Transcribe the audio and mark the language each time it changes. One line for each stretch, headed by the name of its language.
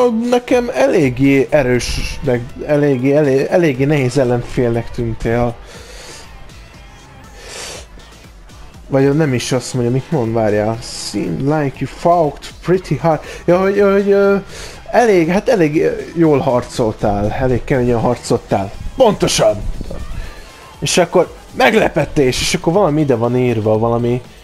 Hungarian: Nekem eléggé erős, meg eléggé nehéz ellenfélnek tűntél. Vagy nem is azt mondja, mit mond, várjál.
English: Seem like you fought pretty hard.
Hungarian: Ja, hogy elég jól harcoltál, elég keményen harcoltál. Pontosan! És akkor meglepetés, és akkor valami ide van írva, valami...